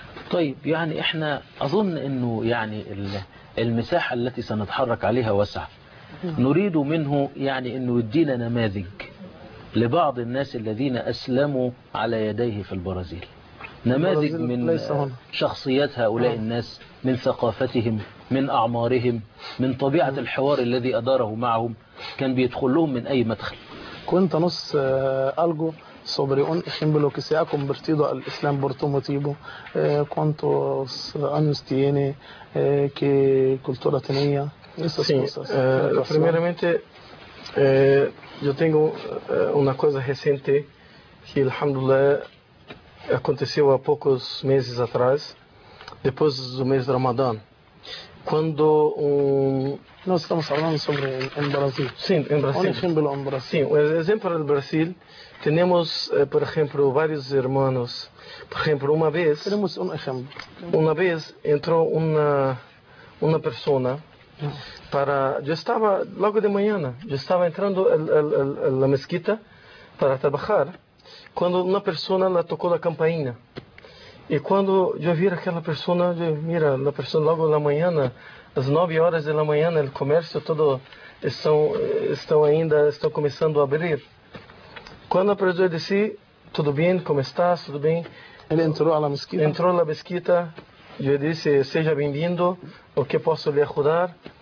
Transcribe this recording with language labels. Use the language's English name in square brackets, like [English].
[Arabic] طيب يعني إحنا أظن أنه يعني المساحة التي سنتحرك عليها واسعة، نريد منه يعني أنه يدينا نماذج لبعض الناس الذين أسلموا على يديه في البرازيل، نماذج من شخصيات هؤلاء الناس، من ثقافتهم، من أعمارهم، من طبيعة الحوار الذي أداره معهم، كان بيدخل لهم من أي مدخل. كنت نص ألجو [Spanish] sobre un ejemplo que se ha convertido al Islam por tu motivo, cuántos años tiene, qué cultura tenía, esas sí, cosas. Primeramente, yo tengo una cosa reciente que, alhamdulillah, aconteció a pocos meses atrás, después del mes de Ramadán, cuando No estamos hablando sobre en Brasil. Sí, en Brasil. Un ejemplo en Brasil. Sí, un ejemplo en Brasil. Tenemos, por ejemplo, varios hermanos. Por ejemplo, una vez... Tenemos un ejemplo. Una vez entró una persona para... Yo estaba, luego de mañana, yo estaba entrando a la mezquita para trabajar, cuando una persona la tocó la campainha. Y cuando yo vi a aquella persona, yo mira, la persona luego de la mañana... [Portuguese] Às 9 horas da manhã, o comércio todo estão começando a abrir. Quando a pessoa disse, tudo bem, como estás, tudo bem? Ele entrou na mesquita. Entrou na mesquita, eu disse, seja bem-vindo, o que posso lhe ajudar?